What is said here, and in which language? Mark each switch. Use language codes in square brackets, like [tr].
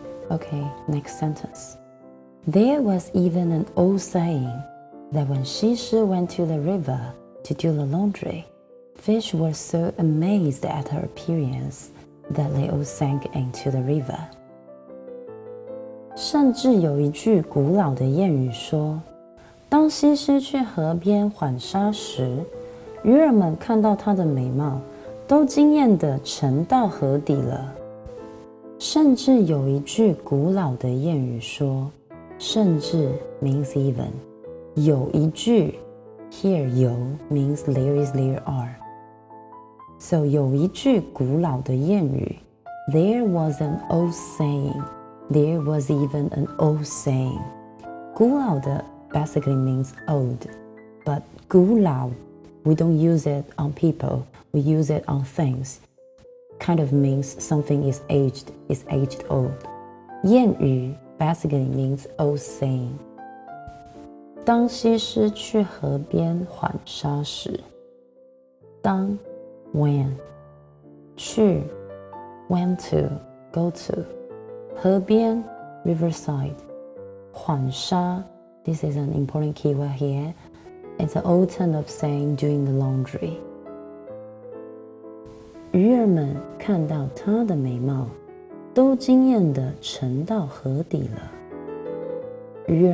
[en] Okay, next sentence. There was even an old saying that when Xi Shi went to the river to do the laundry, fish were so amazed at her appearance that they all sank into the river. [zh] 甚至有一句古老的谚语说，当西施去河边缓沙时，渔人们看到她的美貌，都惊艳地沉到河底了。甚至有一句古老的谚语说甚至 [en] means even [zh] 有一句 [en] here [zh] 有 [en] means there is there are So [zh] 有一句古老的谚语 [en] There was an old saying There was even an old saying 古老的 basically means old But 古老 We don't use it on people We use it on thingskind of means something is aged old. 谚语 basically means old saying. [zh] 当西施去河边缓沙时当 [en] when [zh] 去 [en] went to go to 河边 riverside 缓沙 this is an important keyword here. It's an old term of saying doing the laundry. [zh] 鱼儿们看到她的美貌都惊艳地沉到河底了。